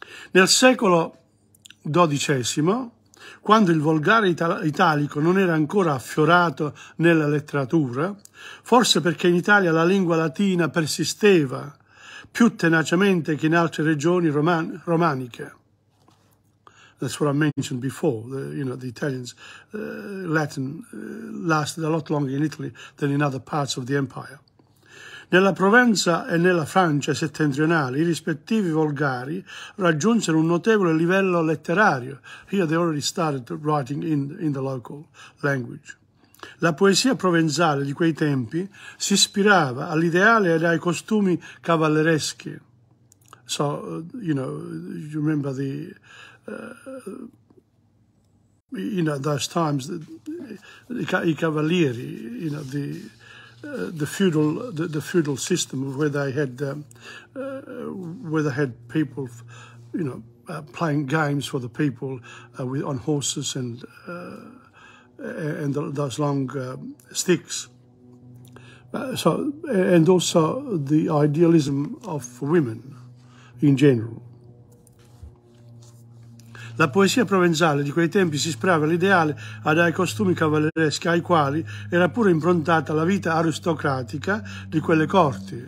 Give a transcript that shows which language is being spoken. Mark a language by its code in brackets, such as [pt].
[it] Nel secolo XII, quando il volgare italico non era ancora affiorato nella letteratura, forse perché in Italia la lingua latina persisteva più tenacemente che in altre regioni romaniche. [en] That's what I mentioned before, the Italians, Latin lasted a lot longer in Italy than in other parts of the empire. [it] Nella Provenza e nella Francia settentrionale, i rispettivi volgari raggiunsero un notevole livello letterario. [en] Here they already started writing in the local language. [it] La poesia provenzale di quei tempi si ispirava all'ideale e ai costumi cavallereschi. [en] So, you remember the... those times, the cavalieri, the feudal system where they had people, playing games for the people on horses and those long sticks. And also the idealism of women in general. [it] La poesia provenzale di quei tempi si ispirava all'ideale ad ai costumi cavallereschi ai quali era pure improntata la vita aristocratica di quelle corti.